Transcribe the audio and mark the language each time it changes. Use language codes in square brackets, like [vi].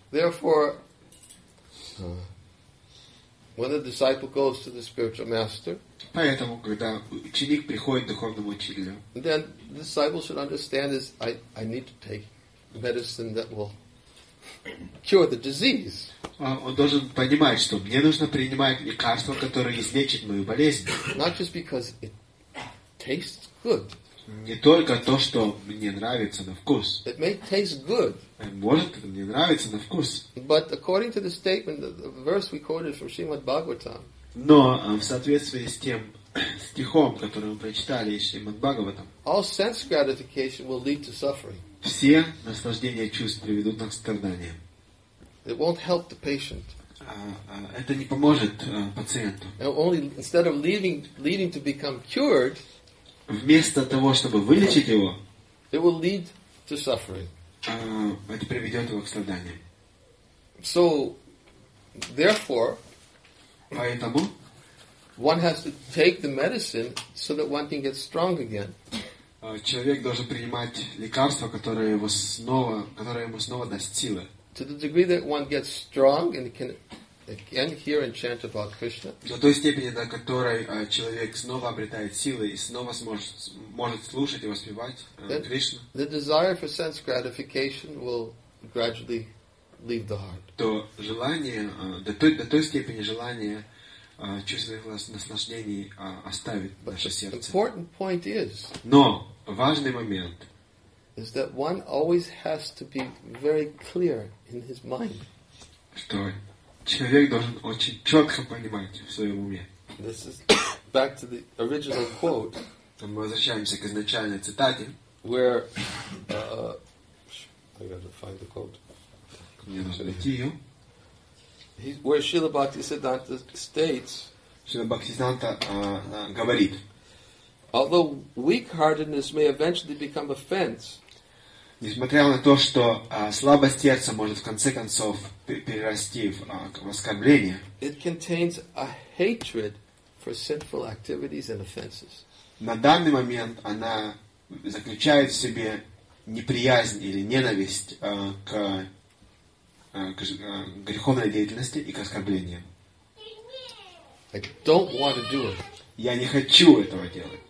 [en] Therefore, when a disciple goes to the spiritual master, [ru] поэтому когда ученик приходит к духовному учителю, [en] then the disciple should understand is I need to take medicine that will cure the disease. [ru] Он должен понимать, что мне нужно принимать лекарство, которое излечит мою болезнь. [en] Not just because it tastes good. [ru] Не только то, что мне нравится на вкус. [en] It may taste good. [ru] Может, мне нравится на вкус. [en] But according to the statement, the verse we quoted from Srimad Bhagavatam. [ru] Но в соответствии с тем стихом, который мы прочитали из Шримад Бхагаватам. [en] All sense gratification will lead to suffering. [ru] Все наслаждения чувств приведут нас к страданиям. [en] It won't help the patient. [ru] Это не поможет пациенту. [en] And only instead of leading to become cured, [ru] вместо того, чтобы вылечить его, [en] it will lead to suffering. [ru] Это приведет его к страданиям. [en] So, therefore, [ru] поэтому, [en] one has to take the medicine so that one can get strong again. [ru] Человек должен принимать лекарство, которое ему снова даст силы. [en] To the degree that one gets strong and can again hear and chant about Krishna. [ru] До той степени, до которой человек снова обретает силы и снова может слушать и воспевать Кришну. [en] The desire for sense gratification will gradually leave the heart. [ru] То желание до той степени желание чувственных наслаждений оставит наше сердце. [en] The important point is. [ru] Но важный момент. [en] Is that one always has to be very clear in his mind. [ru] Что человек должен очень четко понимать в своем уме. [en] This is back to the original quote, [ru] мы возвращаемся к изначальной цитате, [en] where I got to find the quote. Where Srila Bhaktisiddhanta states, [ru] Srila Bhaktisiddhanta говорит, [en] although weak-heartedness may eventually become offense, [ru] несмотря на то, что слабость сердца может в конце концов перерасти в оскорбление, [en] it contains a hatred for sinful activities and offenses. [ru] На данный момент она заключает в себе неприязнь или ненависть к греховной деятельности и к оскорблениям. [en] I don't want to do it. [ru] Я не хочу этого делать.